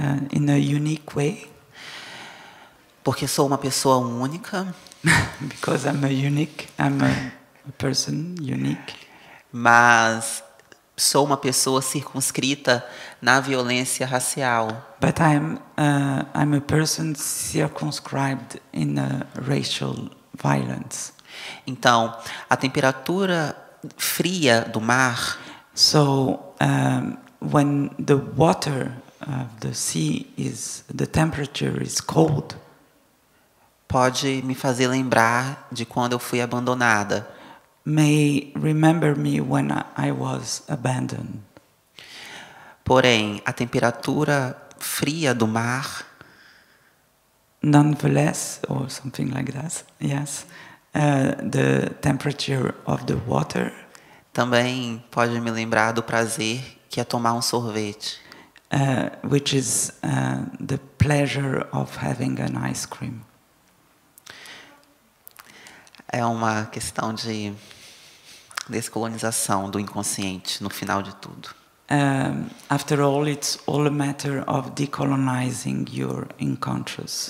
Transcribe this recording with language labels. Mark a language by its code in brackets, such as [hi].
[en] In a unique way. [pt] Porque sou uma pessoa única. [en] Because I'm a unique, I'm a person unique. [pt] Mas sou uma pessoa circunscrita na violência racial. [en] But I'm a person circumscribed in a racial violence. [pt] Então, a temperatura fria do mar. [en] So, when the water of the sea is the temperature is cold. [pt] Pode me fazer lembrar de quando eu fui abandonada. [en] May remember me when I was abandoned. [pt] Porém, a temperatura fria do mar. [en] Nonetheless, or something like that, yes. The temperature of the water. [pt] Também pode me lembrar do prazer que é tomar um sorvete. [en] Which is the pleasure of having an ice cream. [pt] É uma questão de descolonização do inconsciente, no final de tudo. [en] After all, it's all a matter of decolonizing your unconscious.